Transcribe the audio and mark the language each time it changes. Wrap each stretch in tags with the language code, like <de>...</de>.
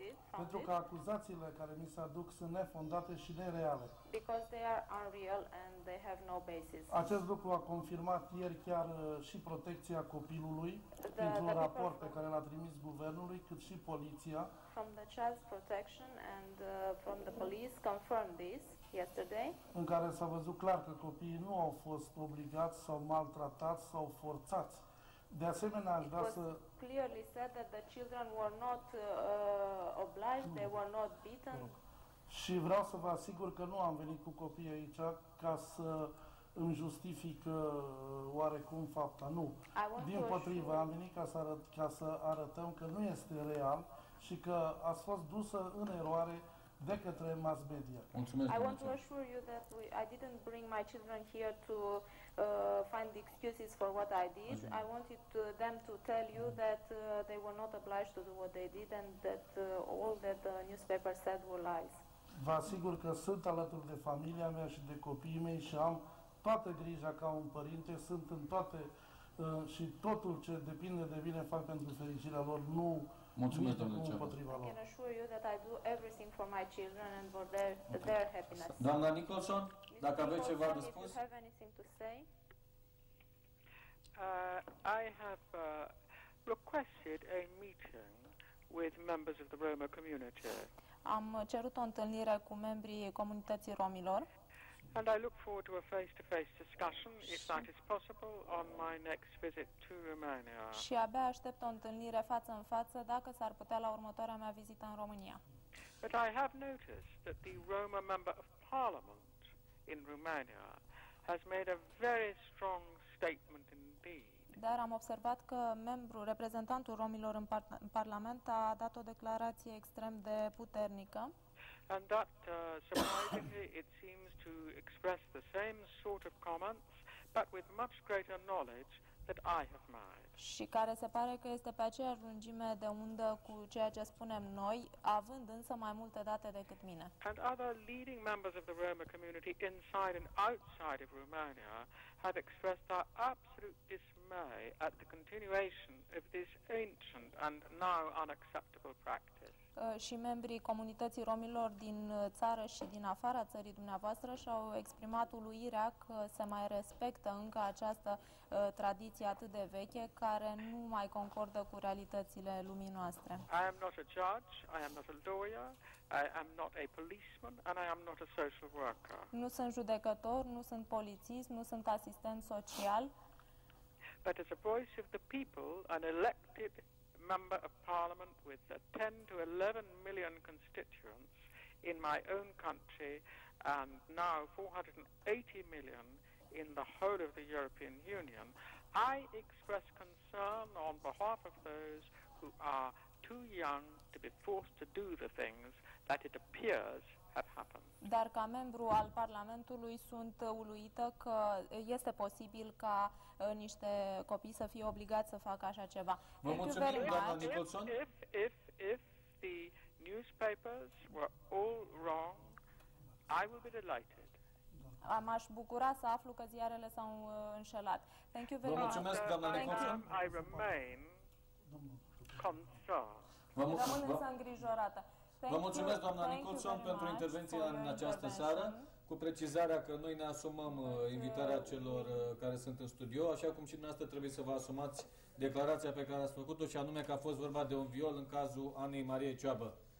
<ro>pentru că acuzațiile care mi se aduc sunt nefondate și nereale.</ro> <en>Because they are unreal and they have no basis.</en> <ro>Acest lucru a confirmat ieri chiar și protecția copilului printr-un raport pe care l-a trimis guvernului, cât și poliția.</ro> <en>From the child's protection and from the police confirmed this yesterday.</en> <ro>În care s-a văzut clar că copiii nu au fost obligați sau maltratați sau forțați. De asemenea, aș vrea să</ro> <en>clearly said that the children were not obliged, they were not beaten.</en> <ro>Și vreau să vă asigur că nu am venit cu copiii aici ca să îmi justific oarecum fapta, nu. Dimpotrivă, am venit ca să arătăm că nu este real și că a fost dusă în eroare de către mass media. Mulțumesc.</ro> <en>I want to assure you that I didn't bring my children here to find excuses for what I did.</en> <ro>Așa.</ro> <en>I wanted them to tell you that they were not obliged to do what they did and that all that the newspaper said were lies.</en> <ro>Vă asigur că sunt alături de familia mea și de copiii mei și am toată grija ca un părinte, sunt în toate și totul ce depinde de mine fac pentru fericirea lor, nu. Mulțumesc, domnule Ciobă.</ro> <en>I can assure you that I do everything for my children and for their happiness.</en> <ro>Doamna Nicholson, dacă aveți ceva de spus?</ro> <en>Do you have anything to say? I have requested a meeting with members of the Roma community.</en> <ro>Am cerut o întâlnire cu membrii comunității romilor.</ro> <en>And I look forward to a face-to-face discussion, if that is possible, on my next visit to Romania.</en> <ro>Și abia aștept o întâlnire față în față, dacă s-ar putea la următoarea mea vizită în România.</ro> <en>But I have noticed that the Roma Member of Parliament in Romania has made a very strong statement indeed.</en> <ro>Dar am observat că membrul, reprezentantul romilor în, în Parlament a dat o declarație extrem de puternică.</ro> <en>And that, surprisingly, it seems to express the same sort of comments, but with much greater knowledge that I have made.</en> <ro>Și care se pare că este pe aceeași lungime de undă cu ceea ce spunem noi, având însă mai multe date decât mine.</ro> <en>And other leading members of the Roma community inside and outside of Romania have expressed their absolute dismay at the continuation of this ancient and now unacceptable practice.</en> <ro>Și membrii comunității romilor din țară și din afara țării dumneavoastră și-au exprimat uluirea că se mai respectă încă această tradiție atât de veche care nu mai concordă cu realitățile lumii noastre.</ro> <en>I am not a judge, I am not a lawyer, I am not a policeman and I am not a social worker.</en> <ro>Nu sunt judecător, nu sunt polițist, nu sunt asistent social.</ro> <en>But as a voice of the people, an elected member of parliament with 10 to 11 million constituents in my own country and now 480 million in the whole of the European Union, I express concern on behalf of those who are too young to be forced to do the things that it appears have happened.</en> <ro>Dar ca membru al Parlamentului sunt uluită că este posibil ca niște copii să fie obligați să facă așa ceva. Vă mulțumim, doamna Nicolson.</ro> <en>If the newspapers were all wrong, I will be delighted.</en> <ro>M-aș bucura să aflu că ziarele s-au înșelat.</ro> <en>Thank you very much.</en> <ro>Vă mulțumesc, doamna Nicolson.</ro> <en>I remain concerned.</en> <ro>Rămân însă îngrijorată. Vă mulțumesc, doamna Nicolson, pentru intervenția în această seară, cu precizarea că noi ne asumăm invitarea celor care sunt în studio, așa cum și dumneavoastră trebuie să vă asumați declarația pe care ați făcut-o, și anume că a fost vorba de un viol în cazul Anei Marie Cioabă.</ro>